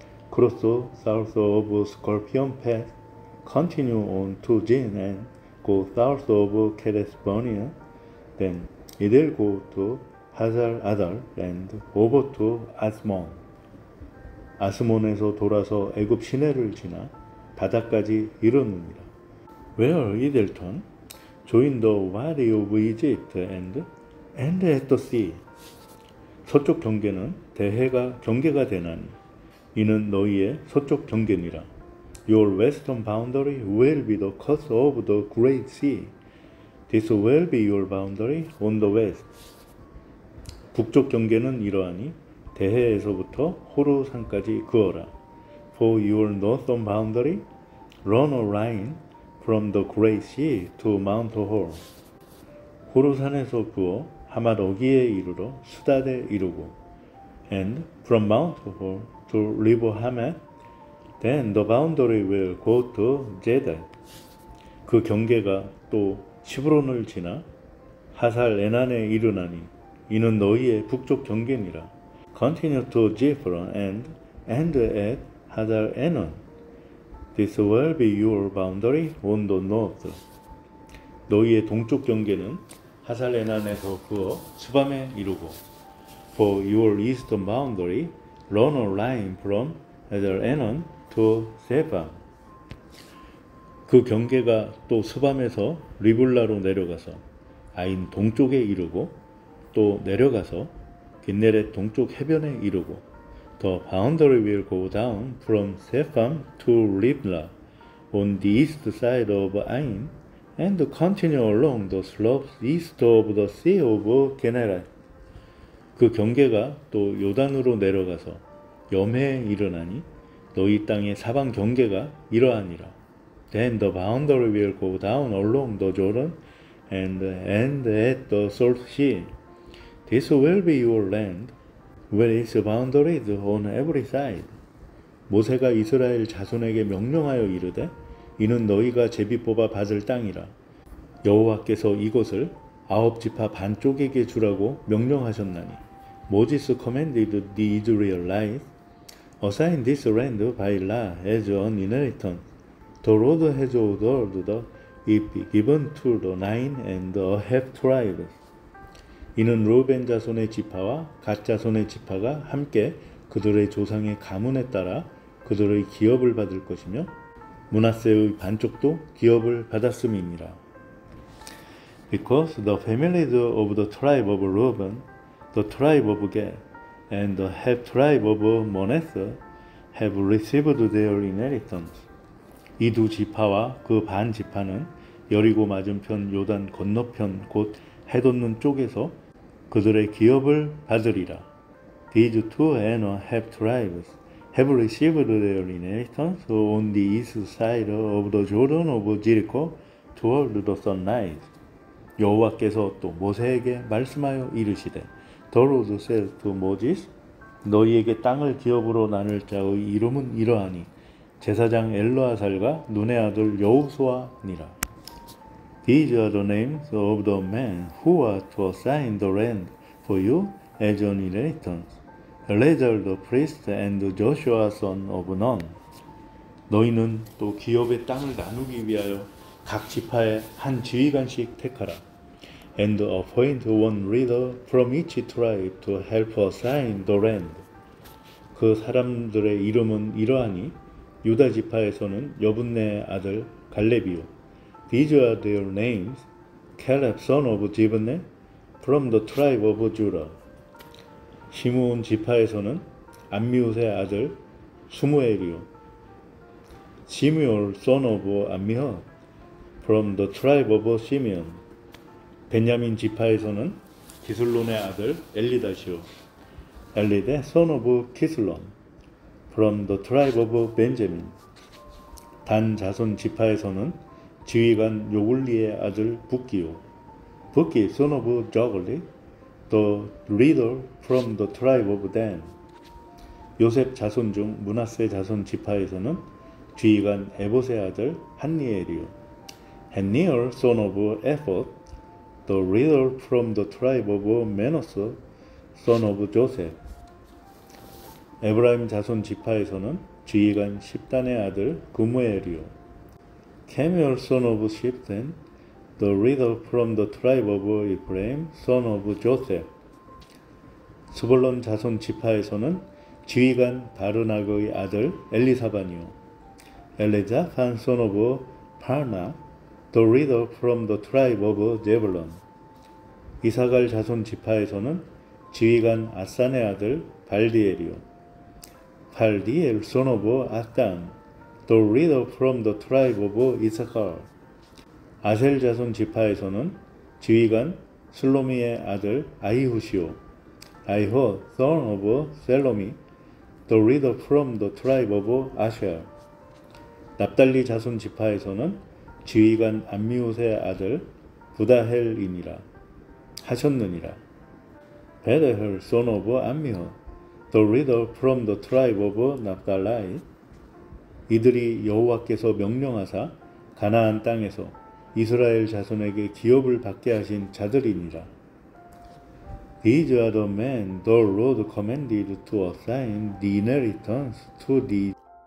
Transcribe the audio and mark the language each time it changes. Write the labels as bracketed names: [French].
[English] 크로스 south of Scorpion Pass continue on to Jin and go south of Kadesh-Barnea then it will go to Hazar Adar and over to Asmon [Korean] 아스몬에서 돌아서 애굽 시내를 지나 바다까지 이르느니라. [English] Where it will turn? Join the valley of Egypt and end at the sea. [Korean] 서쪽 경계는 대해가 경계가 되나니 이는 너희의 서쪽 경계니라. [English] Your western boundary will be the course of the great sea. This will be your boundary on the west. [Korean] 북쪽 경계는 이러하니 대해에서부터 호르산까지 그어라. [English] For your northern boundary, run a line from the Great Sea to Mount Hor. [Korean] 호르산에서 그어 하맛 어귀에 이르러 수닷에 이르고, [English] and from Mount Hor to River Hamath, then the boundary will go to Jedad. [Korean] 그 경계가 또 시브론을 지나 하살 에난에 이르나니 이는 너희의 북쪽 경계니라. [English] Continue to Ziphron and end at Hazar Enon. This will be your boundary on the north. [Korean] 너희의 동쪽 경계는 하살 에난에서 그어 스밤에 이르고 [English] For your eastern boundary, run a line from Hazar Enon to Sepham. [Korean] 그 경계가 또 스밤에서 리블라로 내려가서 아인 동쪽에 이르고 또 내려가서 긴네렛 동쪽 해변에 이르고 [English] The boundary will go down from Sepham to Libna on the east side of Ain and continue along the slopes east of the Sea of Kinneret. [Korean] 그 경계가 또 요단으로 내려가서 염해에 이르나니 너희 땅의 사방 경계가 이러하니라. [English] Then the boundary will go down along the Jordan and end at the Salt Sea. This will be your land. Where is the boundaries on every side? [Korean] 모세가 이스라엘 자손에게 명령하여 이르되 이는 너희가 제비 뽑아 받을 땅이라 여호와께서 이곳을 아홉 지파 반쪽에게 주라고 명령하셨나니 [English] Moses commanded the Israelites Assign this land by law as an inheritance The Lord has ordered the it given to the nine and a half tribes [Korean] 이는 르벤 자손의 지파와 갓 자손의 지파가 함께 그들의 조상의 가문에 따라 그들의 기업을 받을 것이며 므낫세의 반쪽도 기업을 받았음이니라. [English] Because the families of the tribe of Reuben, the tribe of Gad, and the half-tribe of Manasseh have received their inheritance. [Korean] 이 두 지파와 그 반 지파는 여리고 맞은편 요단 건너편 곧 해돋는 쪽에서 그들의 기업을 받으리라. [English] These two and a half tribes have received their inheritance on the east side of the Jordan of Jericho toward the sunrise. [Korean] 여호와께서 또 모세에게 말씀하여 이르시되 [English] The Lord said to Moses, [Korean] 너희에게 땅을 기업으로 나눌 자의 이름은 이러하니 제사장 엘르아살과 눈의 아들 여호수아니라. [English] These are the names of the men who are to assign the land for you as an inheritance. Eleazar the priest and Joshua son of Nun. [Korean] 너희는 또 기업의 땅을 나누기 위하여 각 지파에 한 지휘관씩 택하라. [English] And appoint one leader from each tribe to help assign the land. [Korean] 그 사람들의 이름은 이러하니 유다 지파에서는 여분네의 아들 갈렙이요. [English] These are their names. Caleb son of Jephunneh from the tribe of Judah. [Korean] 시므온 지파에서는 암미훗의 아들 스무엘이요. [English] Simeon son of Ammihud from the tribe of Simeon. [Korean] 베냐민 지파에서는 기슬론의 아들 엘리다시오. [English] Elide son of Kislon from the tribe of Benjamin. [Korean] 단 자손 지파에서는 지휘관 요글리의 아들 북기요. [English] 북기 son of Jogli, the leader from the tribe of Dan. [Korean] 요셉 자손 중 므낫세 자손 지파에서는 지휘관 에봇의 아들 한니엘이요. [English] Haniel son of Ephod, the leader from the tribe of Manasseh, son of Joseph. [Korean] 에브라임 자손 지파에서는 지휘관 십단의 아들 그무엘이요. [English] Kemuel son of Shiften, the leader from the tribe of Ephraim, son of Joseph. [Korean] 스불론 자손 지파에서는 지휘관 바르나그의 아들 엘리사반이요. [English] Elizaphan son of Parna, the leader from the tribe of Zebulun. [Korean] 이사갈 자손 지파에서는 지휘관 아산의 아들 발디엘이요. [English] Paldiel son of Akdan, the leader from the tribe of Issachar. [Korean] 아셀 자손 지파에서는 지휘관 슬로미의 아들 아이훗이요. [English] Ahihud son of Shelomi, the leader from the tribe of Asher. [Korean] 납달리 자손 지파에서는 지휘관 암미훗의 아들 부다헬이니라 하셨느니라. [English] Bedeher son of Ammihud, the leader from the tribe of Naphtali. [Korean] 이들이 여호와께서 명령하사 가나안 땅에서 이스라엘 자손에게 기업을 받게 하신 자들이니라. [English] These are the men the Lord commanded to assign the inheritance to these.